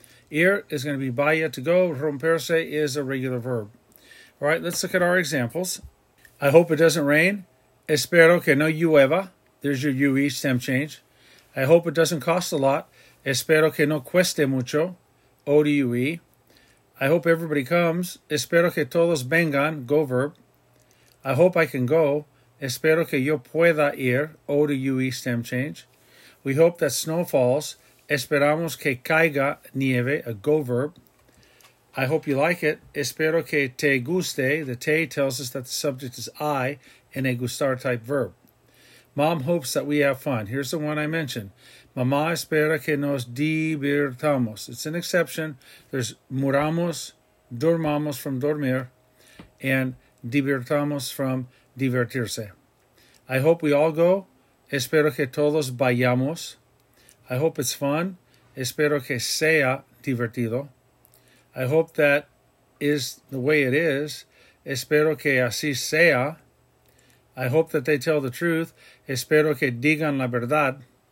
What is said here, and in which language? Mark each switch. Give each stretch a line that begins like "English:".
English: Ir is going to be vaya, to go. Romperse is a regular verb. All right, let's look at our examples. I hope it doesn't rain.
Spanish: Espero que no llueva.
English: There's your UE stem change. I hope it doesn't cost a lot.
Spanish: Espero que no cueste mucho.
English: O to UE. I hope everybody comes.
Spanish: Espero que todos vengan.
English: Go verb. I hope I can go.
Spanish: Espero que yo pueda ir.
English: O to UE stem change. We hope that snow falls.
Spanish: Esperamos que caiga nieve,
English: a go verb. I hope you like it.
Spanish: Espero que te guste.
English: The te tells us that the subject is I in a gustar type verb. Mom hopes that we have fun. Here's the one I mentioned.
Spanish: Mamá espera que nos divirtamos.
English: It's an exception. There's muramos, durmamos from dormir, and divirtamos from divertirse. I hope we all go.
Spanish: Espero que todos vayamos.
English: I hope it's fun.
Spanish: Espero que sea divertido.
English: I hope that is the way it is.
Spanish: Espero que así sea.
English: I hope that they tell the truth.
Spanish: Espero que digan la verdad.